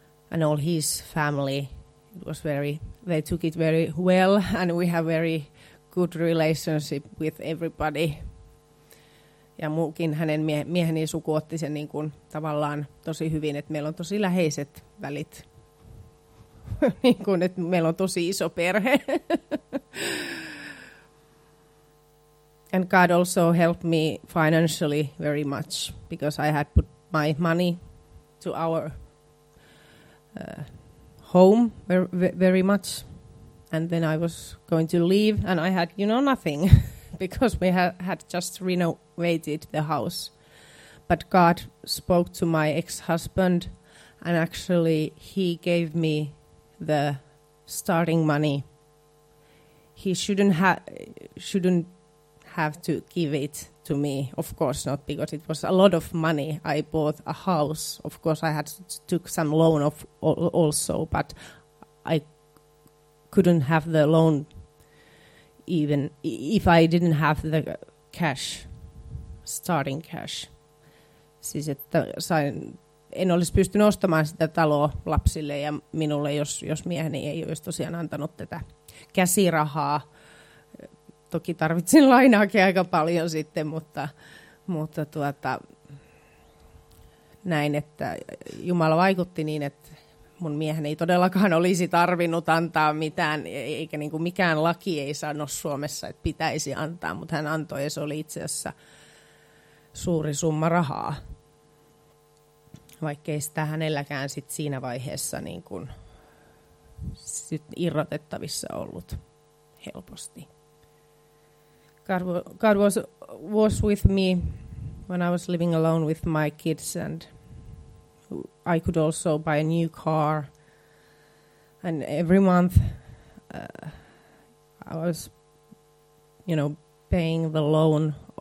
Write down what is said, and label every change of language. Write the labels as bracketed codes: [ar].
[en] And all his family, it was very, they took it very well, and we have very good relationship with everybody. [fi] Ja muukin hänen mieheni suku otti sen niin kuin tavallaan tosi hyvin, että meillä on tosi läheiset välit. Niin kuin, että meillä on tosi iso perhe. [en] And God also helped me financially very much, because I had put my money to our home very much. And then I was going to leave, and I had, you know, nothing. Because we had just renovated the house. But God spoke to my ex-husband, and actually he gave me the starting money. He shouldn't have to give it to me, of course not, because it was a lot of money. I bought a house. Of course I had took some loan of also, but I couldn't have the loan even if I didn't have the cash, starting cash. [fi] Siis että en olisi pystynyt ostamaan sitä taloa lapsille ja minulle, jos mieheni ei olisi tosiaan antanut tätä käsirahaa. Toki tarvitsin lainaakin aika paljon sitten, mutta tuota, näin, että Jumala vaikutti niin, että mun miehen ei todellakaan olisi tarvinnut antaa mitään, eikä niin kuin mikään laki ei sanoa Suomessa, että pitäisi antaa, mutta hän antoi ja se oli itse asiassa suuri summa rahaa, vaikkei sitä hänelläkään sit siinä vaiheessa niin kuin sit irrotettavissa ollut helposti. [en] God was with me when I was living alone with my kids, and I could also buy a new car. And every month I was, you know, paying the loan.